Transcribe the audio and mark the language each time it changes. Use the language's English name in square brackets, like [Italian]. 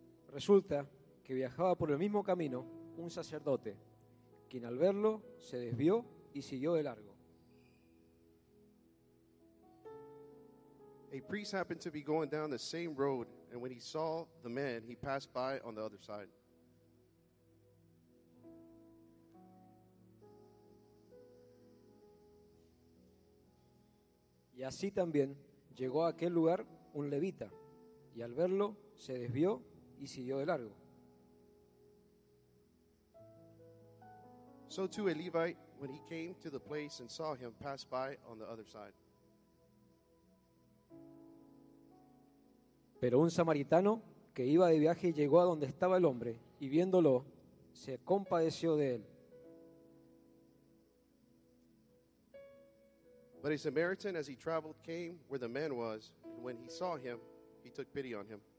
[Spanish] Resulta que viajaba por el mismo camino un sacerdote, quien al verlo se desvió y siguió de largo. [English] A priest happened to be going down the same road, and when he saw the man, he passed by on the other side. [Spanish] Y así también llegó a aquel lugar un levita, y al verlo se desvió y siguió de largo. [English] So too a Levite, when he came to the place and saw him, passed by on the other side. [Spanish] Pero un samaritano que iba de viaje llegó a donde estaba el hombre, y viéndolo, se compadeció de él. [English] But a Samaritan, as he traveled, came where the man was, and when he saw him, he took pity on him.